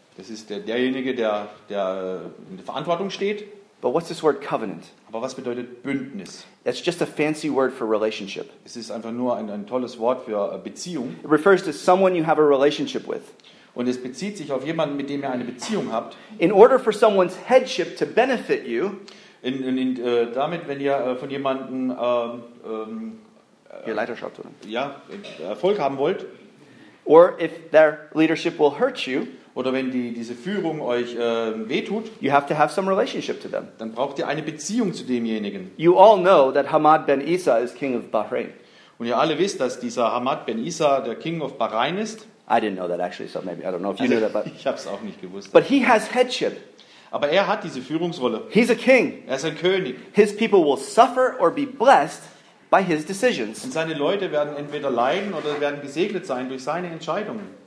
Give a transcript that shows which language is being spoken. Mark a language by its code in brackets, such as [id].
[de] Es ist derjenige, der in der Verantwortung steht. [en] But what's this word covenant? [de] Aber was bedeutet Bündnis? [en] It's just a fancy word for relationship. [de] Es ist einfach nur ein tolles Wort für Beziehung. [en] It refers to someone you have a relationship with. [de] Und es bezieht sich auf jemanden, mit dem ihr eine Beziehung habt. [en] In order for someone's headship to benefit you. [de] Damit, wenn ihr von jemandem ihr Leiterschaft oder? Ja, Erfolg haben wollt. [en] Or if their leadership will hurt you. [de] Oder wenn diese Führung euch wehtut, [en] you have to have some relationship to them. [de] Dann braucht ihr eine Beziehung zu demjenigen. [en] You all know that Hamad ben Isa is king of Bahrain. [de] Und ihr alle wisst, dass dieser Hamad ben Isa der [en] King of Bahrain [de] ist. [en] I didn't know that actually, so maybe I don't know if you knew that. But [de] ich habe es auch nicht gewusst. [en] But he has headship. [de] Aber er hat diese Führungsrolle. [en] He's a king. [de] Er ist ein König. [en] His people will suffer or be blessed by his decisions. [de] Und seine Leute werden entweder leiden oder werden gesegnet sein durch seine Entscheidungen.